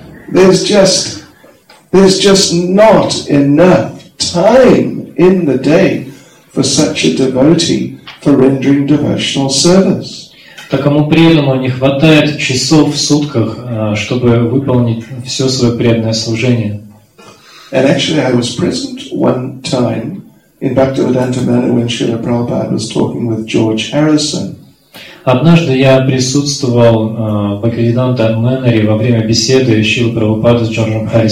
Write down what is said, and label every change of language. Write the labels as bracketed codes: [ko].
[en] There's just not enough time in the day for such a devotee for rendering devotional service. [ru] Такому преданному не хватает часов в сутках, чтобы выполнить все свое преданное служение. [en] And actually, I was present one time in Bhaktivedanta Manor when Srila Prabhupada was talking with George Harrison. [ru] Однажды я присутствовал в Бхактивиданта Мэннере во время беседы Шрилы Прабхупады с Джорджем